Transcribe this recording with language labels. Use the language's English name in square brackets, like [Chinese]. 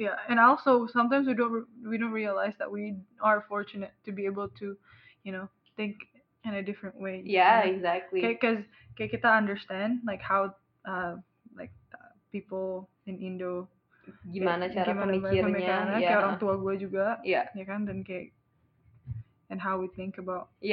[English] And also sometimes we don't realize that we are fortunate to be able to, you know, think in a different way. Yeah, exactly. [Indonesian] Kayak kita [English] understand like how people in Indo [Indonesian] gimana cara pemikirannya, kayak orang tua gue juga, [English] yeah, [Indonesian] ya kan, dan kayak [English] and how we think about